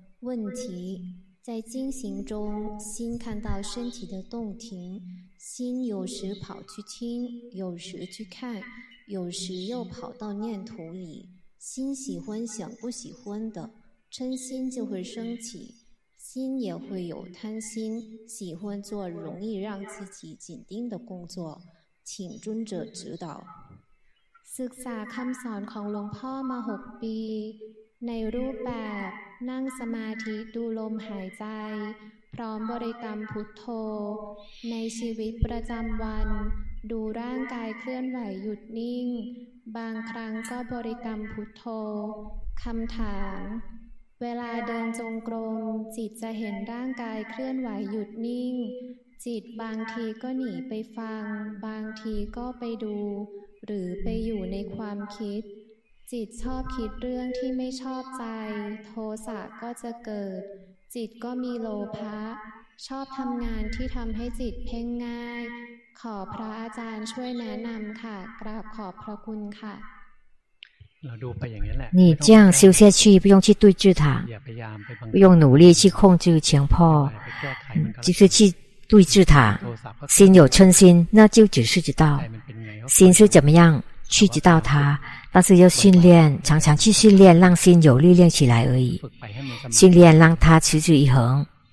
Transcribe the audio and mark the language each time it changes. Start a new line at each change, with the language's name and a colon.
Chinese: 问题：在经行中，心看到身体的动停，心有时跑去听，有时去看，有时又跑到念头里，心喜欢想不喜欢的，嗔心就会升起，心也会有贪心，喜欢做容易让自己紧盯的工作，请尊者指导。
Thai: ศึกษาคำสอนของหลวงพ่อมา6 ปีในรูปแบบนั่งสมาธิดูลมหายใจพร้อมบริกรรมพุทโธในชีวิตประจำวันดูร่างกายเคลื่อนไหวหยุดนิ่งบางครั้งก็บริกรรมพุทโธ คำถามเวลาเดินจงกรมจิตจะเห็นร่างกายเคลื่อนไหวหยุดนิ่งจิตบางทีก็หนีไปฟังบางทีก็ไปดูหรือไปอยู่ในความคิดจิตชอบคิดเรื่องที่ไม่ชอบใจโทสะก็จะเกิดจิตก็มีโลภะชอบทำงานที่ทำให้จิตเพ่งง่ายขอพระอาจารย์ช่วยแนะนำค่ะกราบขอบพระคุณค่ะ เราดูไปอย่างนี้แหละ
Chinese: 你这样修下去不用去对治它不用努力去控制强迫就是去对治它心有嗔心那就只是知道心是怎么样去知道它但是要训练常常去训练让心有力量起来而已训练让它持之以恒